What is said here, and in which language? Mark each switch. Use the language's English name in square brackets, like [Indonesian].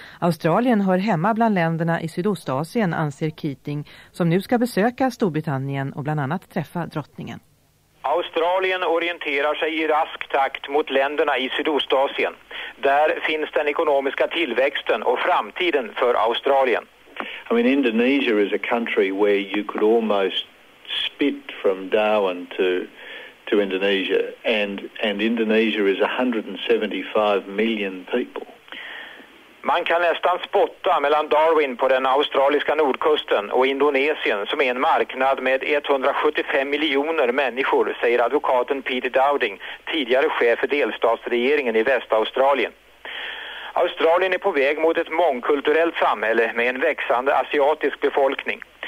[Swedish] Australien hör hemma bland länderna i Sydostasien, anser Keating, som nu ska besöka Storbritannien och bland annat träffa drottningen. Australien orienterar sig i rask takt mot länderna i Sydostasien. Där finns den ekonomiska tillväxten och framtiden för Australien. [English] I mean, Indonesia is a country where you could almost spit from Darwin to Indonesia, and Indonesia is 175 million people. [Swedish] Man kan nästan spotta mellan Darwin på den australiska nordkusten och Indonesien, som är en marknad med 175 miljoner människor, säger advokaten Peter Dowding, tidigare chef för delstatsregeringen i Västaustralien. Australien är på väg mot ett mångkulturellt samhälle med en växande asiatisk befolkning.